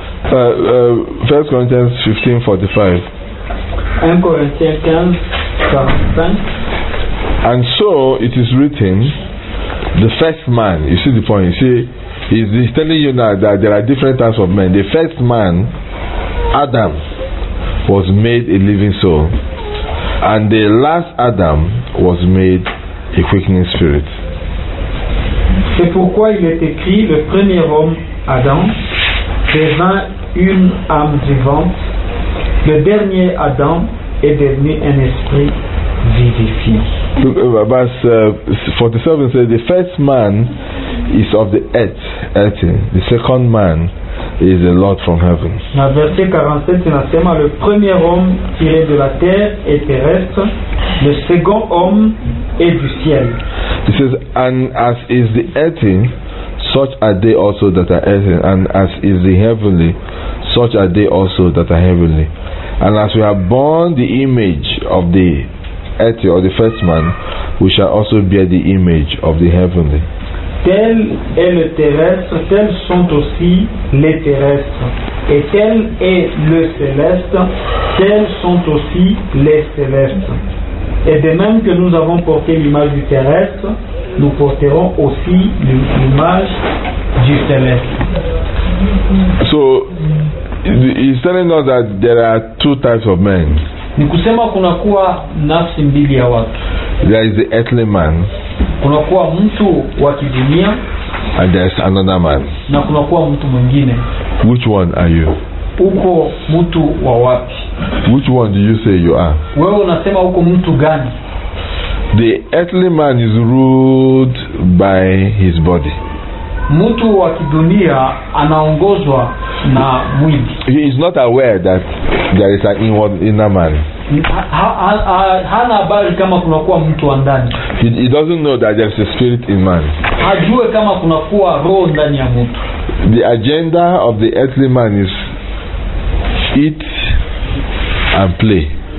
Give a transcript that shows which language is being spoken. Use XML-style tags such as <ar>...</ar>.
<en>First Corinthians 15:45. And so it is written, the first man, you see the point, you see, he's telling you now that there are different types of men. The first man, Adam, was made a living soul, and the last Adam was made a quickening spirit.</en> <fr>C'est pourquoi il est écrit, le premier homme, Adam, devint une âme vivante, le dernier Adam est devenu un esprit vivifiant.</fr> <en>Verse 47 says, the first man is of the earth, the second man is the Lord from heaven.</en> <sw>Na verset 47 inasema</sw> <fr>le premier homme tiré de la terre est terrestre, le second homme est du ciel.</fr> <en>It says, and as is the earthy, such are they also that are earthy, and as is the heavenly, such are they also that are heavenly. And as we have borne the image of the earthy or the first man, we shall also bear the image of the heavenly.</en> <fr>Tel est le terrestre, tels sont aussi les terrestres. Et tel est le céleste, tels sont aussi les célestes. Et de même que nous avons porté l'image du terrestre, nous porterons aussi l'image du céleste.</fr> <en>So, he's telling us that there are two types of men.</en> <sw>Ni kusema kuna kuwa nafsi mbili ya watu.</sw> <en>There is the earthly man.</en> <sw>Kuna kuwa mtu wa kidunia.</sw> <en>And there's another man.</en> <sw>Na kuna kuwa mtu mwingine.</sw> <en>Which one are you?</en> <sw>Uko mtu wa wapi?</sw> <en>Which one do you say you are?</en> <sw>Wewe unasema uko mtu gani?</sw> <en>The earthly man is ruled by his body.</en> <sw>Mtu wa kidunia anaongozwa na mwili.</sw> <en>He is not aware that there is an inner man.</en> <sw>Hana habari kama kuna kuwa mtu wa ndani.</sw> <en>He doesn't know that there is a spirit in man.</en> <sw>Hajue kama kuna kuwa roho ndani ya mtu.</sw> <en>The agenda of the earthly man is eat and play.</en>